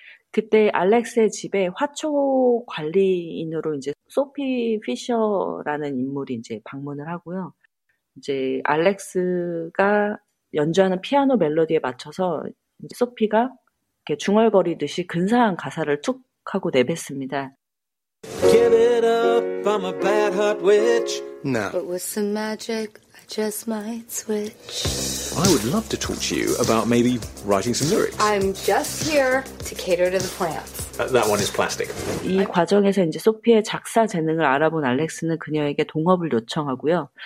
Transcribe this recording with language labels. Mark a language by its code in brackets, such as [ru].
[ko] 그때 알렉스의 집에 화초 관리인으로 이제 소피 피셔라는 인물이 이제 방문을 하고요. 이제 알렉스가 연주하는 피아노 멜로디에 맞춰서 이제 소피가 이렇게 중얼거리듯이 근사한 가사를 툭 하고 내뱉습니다. [en] Get it up, I'm a bad heart witch. No. But with some magic, I just might switch. I would love to talk to you about maybe writing some lyrics. I'm just here to cater to the plants. That one is plastic. [ko] 이 과정에서 이제 소피의 작사 재능을 알아본 알렉스는 그녀에게 동업을 요청하고요.